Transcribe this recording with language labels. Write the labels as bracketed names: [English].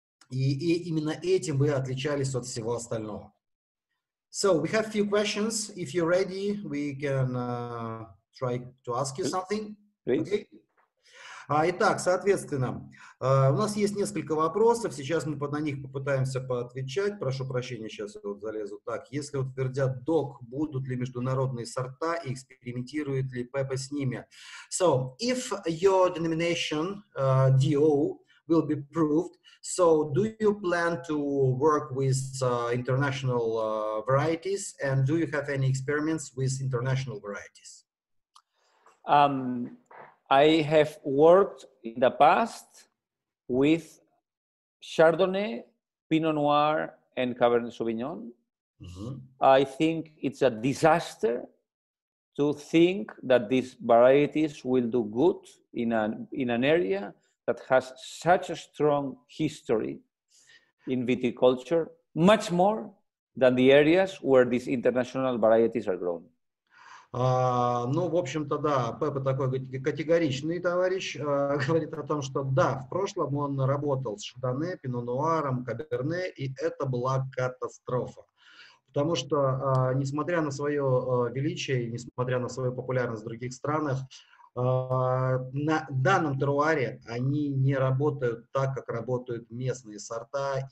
[Russian] И именно этим вы отличались от всего остального. [English] So we have a few questions. If you're ready, we can try to ask you something. Okay. [Russian] Итак, соответственно, у нас есть несколько вопросов. Сейчас мы на них попытаемся поотвечать. Прошу прощения, сейчас я вот залезу. Так, если утвердят ДОК, будут ли международные сорта и экспериментирует ли Пеппа с ними? [English] So, if your denomination DO will be proved. So do you plan to work with international varieties and do you have any experiments with international varieties? I have worked in the past with Chardonnay, Pinot Noir and Cabernet Sauvignon. Mm-hmm. I think it's a disaster to think that these varieties will do good in an area that has such a strong history in viticulture, much more than the areas where these international varieties are grown. [Russian] Ну, в общем-то, да, Пеппа такой категоричный товарищ, говорит о том, что да, в прошлом он работал с Шардоне, Пино-Нуаром, Каберне, и это была катастрофа. Потому что, несмотря на свое величие, несмотря на свою популярность в других странах, на данном теруаре они не работают так, как работают местные сорта.